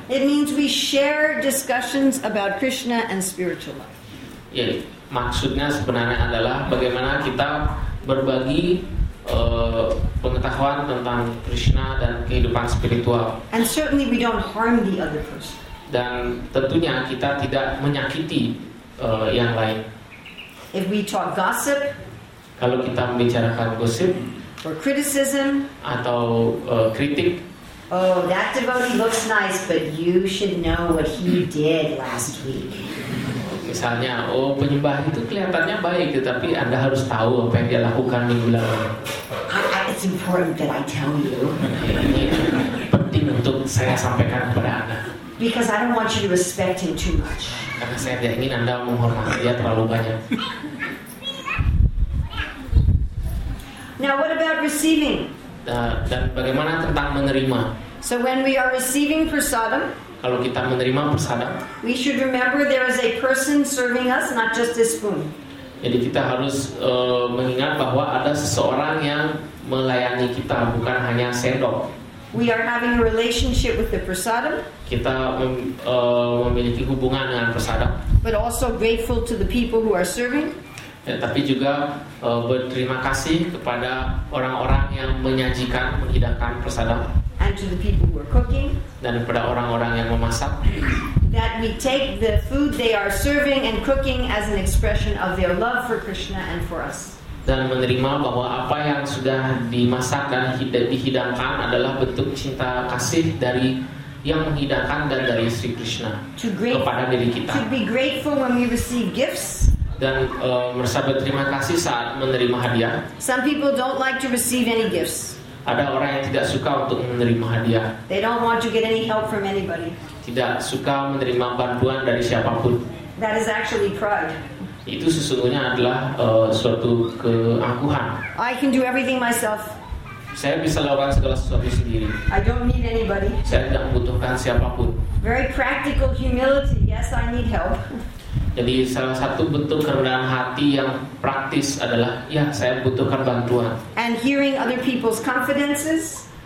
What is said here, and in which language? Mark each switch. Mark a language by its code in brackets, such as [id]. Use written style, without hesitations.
[en] It means we share discussions about Krishna and spiritual life. [id] Ya, maksudnya sebenarnya adalah bagaimana kita berbagi pengetahuan tentang Krishna dan kehidupan spiritual. [en] And certainly we don't harm the other person. [id] Dan tentunya kita tidak menyakiti yang lain. [en] If we talk gossip, [id] kalau kita membicarakan gosip, [en] or criticism, [id] atau kritik. [en] Oh, that devotee looks nice, but you should know what he did last week. [id] Misalnya, oh penyembah itu kelihatannya baik, tetapi Anda harus tahu apa yang dia lakukan minggu lalu. [en] It's important that I tell you. [id] Penting untuk saya sampaikan kepada Anda. [en] Because I don't want you to respect him too much. [id] Karena saya tidak ingin Anda menghormati dia terlalu banyak. [en] Now what about receiving? [id] Dan bagaimana tentang menerima? [en] So when we are receiving prasadam, [id] kalau kita menerima prasadam, [en] we should remember there is a person serving us, not just a spoon. [id] Jadi kita harus mengingat bahwa ada seseorang yang melayani kita, bukan hanya sendok. [en] We are having a relationship with the prasadam. [id] Kita memiliki hubungan dengan prasadam. [en] But also grateful to the people who are serving. [id] Ya, tapi juga berterima kasih kepada orang-orang yang menyajikan, menghidangkan prasadam. [en] And to the people who are cooking. [id] Dan kepada orang-orang yang memasak. [en] That we take the food they are serving and cooking as an expression of their love for Krishna and for us. [id] Dan menerima bahwa apa yang sudah dimasak dan dihidangkan adalah bentuk cinta kasih dari yang menghidangkan dan dari Sri Krishna kepada diri kita. [en] To be grateful when we receive gifts. [id] Dan merasa berterima kasih saat menerima hadiah. [en] Some people don't like to receive any gifts. [id] Ada orang yang tidak suka untuk menerima hadiah. [en] They don't want to get any help from anybody. [id] Tidak suka menerima bantuan dari siapapun. [en] That is actually pride. [id] Itu sesungguhnya adalah suatu keangkuhan. [en] I can do everything myself. [id] Saya bisa lakukan segala sesuatu sendiri. [en] I don't need anybody. [id] Saya tidak membutuhkan siapapun. [en] Very practical humility. Yes, I need help. [id] Jadi salah satu bentuk kerendahan hati yang praktis adalah ya saya butuhkan bantuan. [en] And hearing other people's confidences.